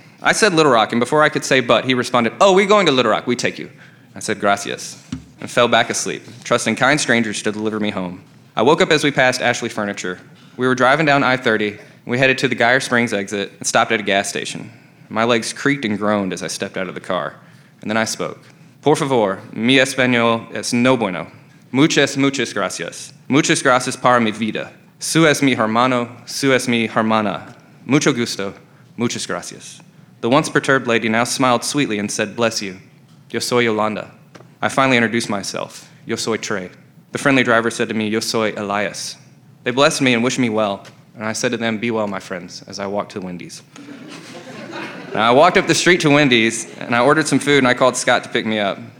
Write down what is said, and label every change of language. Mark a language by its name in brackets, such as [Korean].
[English] I said Little Rock, and before I could say but, he responded, "Oh, we're going to Little Rock. We take you." I said, "Gracias," and fell back asleep, trusting kind strangers to deliver me home. I woke up as we passed Ashley Furniture. We were driving down I-30, and we headed to the Geyer Springs exit and stopped at a gas station. My legs creaked and groaned as I stepped out of the car, and then I spoke. [Spanish] Por favor, mi español es no bueno. Muchas, muchas gracias. Muchas gracias para mi vida. Su es mi hermano, su es mi hermana. Mucho gusto, muchas gracias. [English] The once perturbed lady now smiled sweetly and said, "Bless you. [Spanish] Yo soy Yolanda." [English] I finally introduced myself. [Spanish] Yo soy Trey. [English] The friendly driver said to me, [Spanish] "Yo soy Elias." [English] They blessed me and wished me well, and I said to them, "Be well, my friends," as I walked to Wendy's. Now, I walked up the street to Wendy's, and I ordered some food, and I called Scott to pick me up.